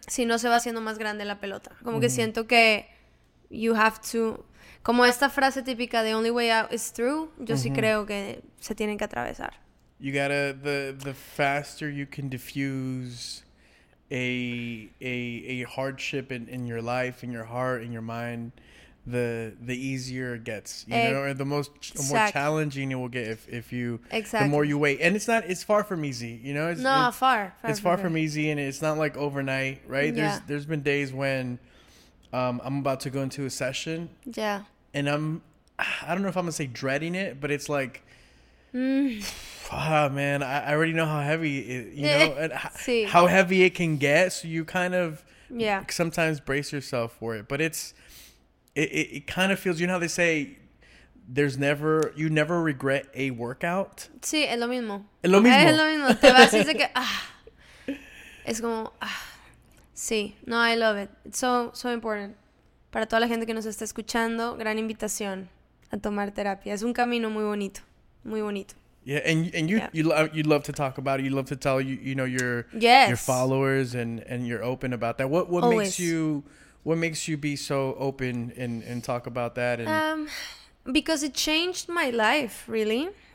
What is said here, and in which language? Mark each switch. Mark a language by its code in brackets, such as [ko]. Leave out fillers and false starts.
[es] Si no se va haciendo más grande la pelota. Como que siento que [en] you have to, [es] como esta frase típica, [en] the only way out is through, [es] yo sí creo que se tienen que atravesar. [en] You gotta, the faster you can diffuse a hardship in your life, in your heart, in your mind, the easier it gets, you know, or the more challenging it will get if you, the more you wait. And it's far from easy, you know? It's far from easy and it's not like overnight, right? Yeah. There's been days when I'm about to go into a session. Yeah. And I don't know if I'm going to say dreading it, but it's like, man, I already know how heavy it, you know, and how heavy it can get. So you kind of sometimes brace yourself for it, but it kind of feels, you know how they say you never regret a workout? [es] Sí, es lo mismo. Es lo mismo. Es lo mismo. Te vas y se que, es como, sí. No, [en] I love it. It's so, so important. [es] Para toda la gente que nos está escuchando, gran invitación a tomar terapia. Es un camino muy bonito. Muy bonito. [en] Yeah, and you love to talk about it. You love to tell your followers and you're open about that. What always. makes you be so open and talk about that? And because it changed my life, really.